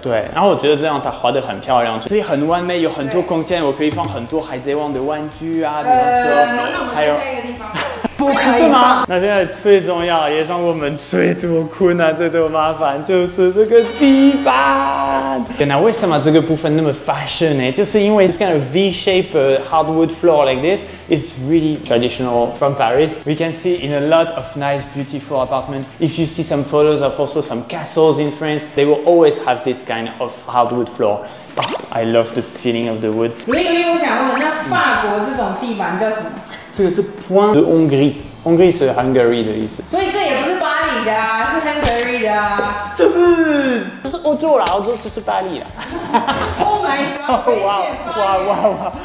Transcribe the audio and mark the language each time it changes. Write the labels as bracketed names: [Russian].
[Chinese] 对，然后我觉得这样它画得很漂亮，这里很完美，有很多空间，我可以放很多海贼王的玩具啊，比方说，还有。不可以是吗？那现在最重要，也让我们最多困难、最多麻烦，就是这个地板。天哪，为什么这个部分那么 fashion 呢？就是因为 [English] this kind of V-shape hardwood floor like this is really traditional from Paris. We can see in a lot of nice, beautiful apartments. If you see some photos of also some castles in France, they will always have this kind of hardwood floor. I love the feeling of the wood. [Chinese] 我想问，那法国这种地板叫什么？这个是 point de Hongrie， Hongrie 是 Hungary 的意思。所以这也不是巴黎的啊，是 Hungary 的啊。就是欧洲啦，欧洲就是巴黎啦。 [English] Oh my god！ [Chinese] 哇哇哇哇